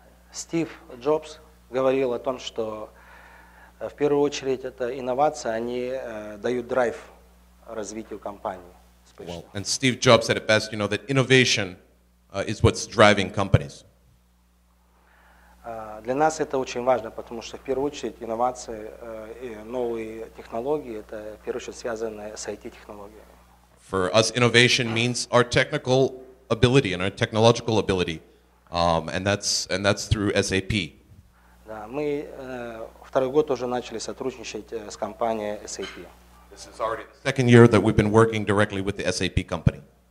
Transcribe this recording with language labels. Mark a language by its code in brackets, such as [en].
[ru] Стив Джобс говорил о том, что в первую очередь это инновации, они дают драйв развитию компании. [en] Well, and Steve Jobs said it best, you know, that innovation is what's driving companies. [ru] Для нас это очень важно, потому что в первую очередь инновации и новые технологии, это в первую очередь связано с IT-технологиями. [en] For us, innovation means our technical ability and our technological ability. And that's through SAP. [ru] Да, мы второй год уже начали сотрудничать с компанией SAP. [en] This is already the second year that we've been working directly with the SAP company.